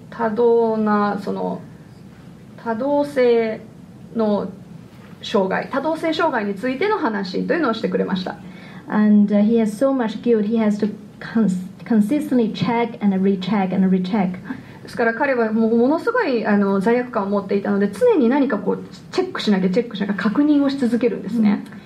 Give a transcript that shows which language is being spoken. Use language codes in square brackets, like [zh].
[ja] 多動なその多動性の障害、多動性障害についての話というのをしてくれました。 [en] And he has so much guilt, he has to consistently check and recheck and recheck. [ja] ですから彼はものすごい罪悪感を持っていたので常に何かこうチェックしなきゃ確認をし続けるんですね。